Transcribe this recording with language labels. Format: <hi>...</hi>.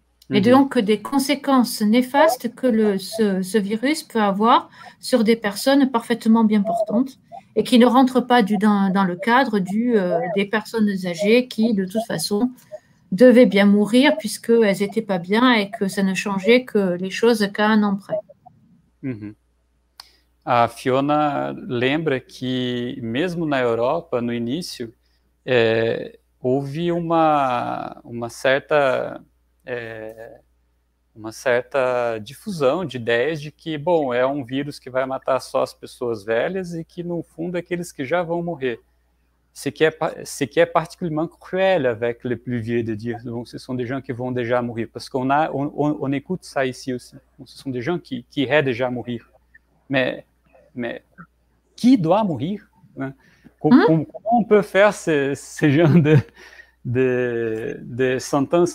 <fr>Et donc, des conséquences néfastes que ce virus peut avoir sur des personnes parfaitement bien portantes et qui ne rentrent pas dans le cadre des personnes âgées qui, de toute façon, devaient bien mourir puisqu'elles n'étaient pas bien et que ça ne changeait que les choses qu'à un an près. Mmh.</fr> <pt>A Fiona lembra que, mesmo na Europa, no início, houve uma certa difusão de ideias de que, bom, é um vírus que vai matar só as pessoas velhas e que, no fundo, aqueles que já vão morrer.</pt> <fr>ce qui est particulièrement cruel avec les plus vieux de Dieu. Donc, ce sont des gens qui vont déjà mourir, parce qu'on a, on écoute ça ici aussi. Donc, ce sont des gens qui iraient déjà mourir. Mais qui doit mourir, hein? Comment on peut faire ce genre de sentences?</fr>